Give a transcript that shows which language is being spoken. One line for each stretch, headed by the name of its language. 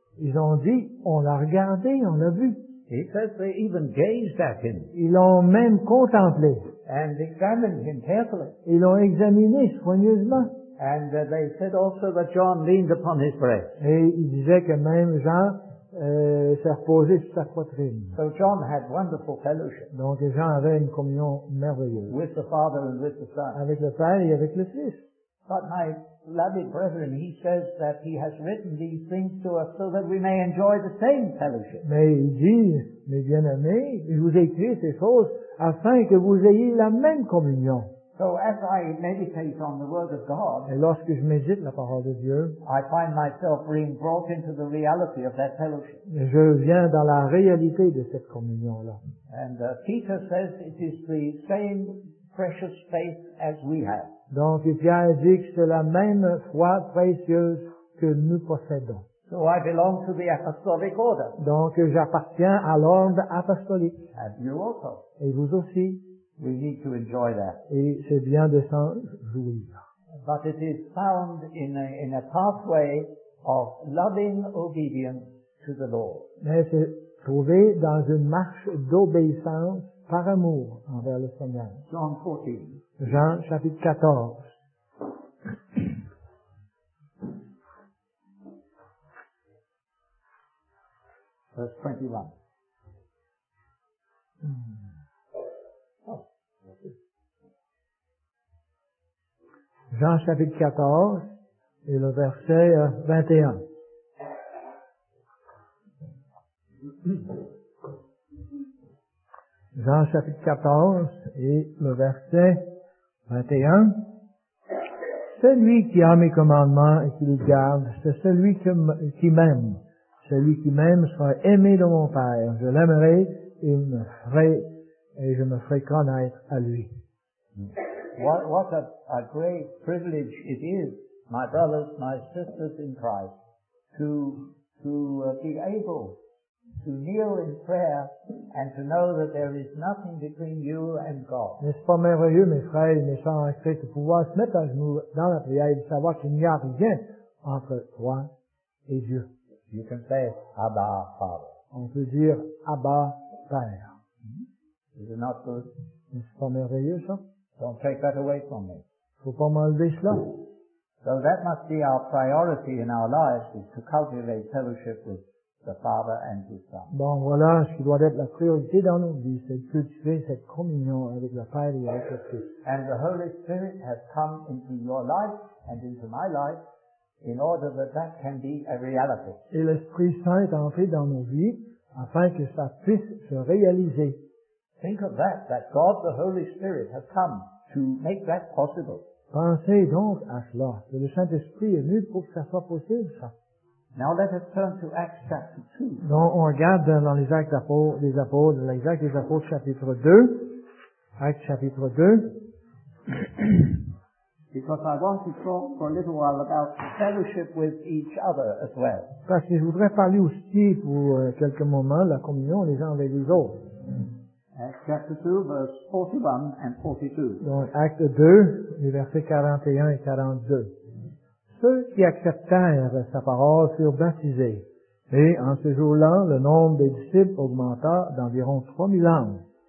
French: Ils ont dit, on l'a regardé, on l'a vu.
English: He says they even gazed at him.
French: Ils l'ont même contemplé.
English: And examined him carefully.
French: Ils l'ont examiné soigneusement.
English: And they said also that John leaned upon his breast.
French: Et ils disaient que même Jean s'est reposé sur sa poitrine.
English: So John had wonderful fellowship.
French: Donc Jean avait une communion merveilleuse.
English: With the Father and with the Son.
French: Avec le Père et avec le Fils.
English: But my beloved brethren, he says that he has written these things to us so that we may enjoy the same fellowship.
French: Mais il dit, mes bien-aimés, je vous ai écrit ces choses afin que vous ayez la même communion.
English: So as I meditate on the Word of God,
French: et lorsque je médite la parole de Dieu,
English: I find myself being brought into the reality of that fellowship.
French: Je viens dans la réalité de cette communion-là.
English: And Peter says it is the same precious faith as we have.
French: Donc, Pierre dit que c'est la même foi précieuse que nous possédons.
English: So I belong to the apostolic order.
French: Donc, j'appartiens à l'ordre apostolique.
English: And you also.
French: Et vous aussi.
English: We need to enjoy that.
French: Et c'est bien de s'en jouir.
English: But it is found in a pathway of loving obedience to the Lord.
French: Mais c'est trouvé dans une marche d'obéissance par amour envers le Seigneur.
English: John 14.
French: Jean, chapitre 14.
English: Verse 21.
French: Jean, chapitre 14, et le verset 21. Jean, chapitre 14, et le verset 21. Celui qui a mes commandements et qui les garde, c'est celui qui m'aime. Celui qui m'aime sera aimé de mon Père. Je l'aimerai et je me ferai connaître à lui.
English: What a great privilege it is, my brothers, my sisters in Christ, to be able to kneel in prayer and to know that there is nothing between you and God.
French: N'est-ce pas merveilleux, mes frères et mes sœurs en Christ, de pouvoir se mettre à genoux dans la prière et de savoir qu'il n'y a rien entre toi et Dieu.
English: You can say Abba Father.
French: On peut dire Abba Père.
English: Mm-hmm. Is it not good?
French: N'est-ce pas merveilleux, ça?
English: Don't take that away from me.
French: Faut pas m'enlever cela.
English: So that must be our priority in our lives, is to cultivate fellowship with the Father and His Son.
French: Bon, voilà ce qui doit être la priorité dans nos vies, c'est de cultiver cette communion avec le Père et avec le Fils.
English: And the Holy Spirit has come into your life and into my life in order that that can be a reality.
French: Et l'Esprit Saint est entré dans nos vies afin que ça puisse se réaliser.
English: Think of that God the Holy Spirit has come to make that possible.
French: Pensez donc à cela, que le Saint-Esprit est venu pour que ça soit possible, ça.
English: Now let us turn to Acts chapter 2.
French: Donc, on regarde dans les Actes des Apôtres, chapitre 2. Actes chapitre 2.
English: because I want to talk for a little while about fellowship with each other as well.
French: Parce que je voudrais parler aussi pour quelques moments la communion les uns avec les autres.
English: Chapter 2, verse 41 and 42.
French: Donc, acte 2, les versets 41 et 42. Ceux qui acceptèrent sa parole furent baptisés, et en ce jour-là, le nombre des disciples augmenta d'environ 3000 âmes.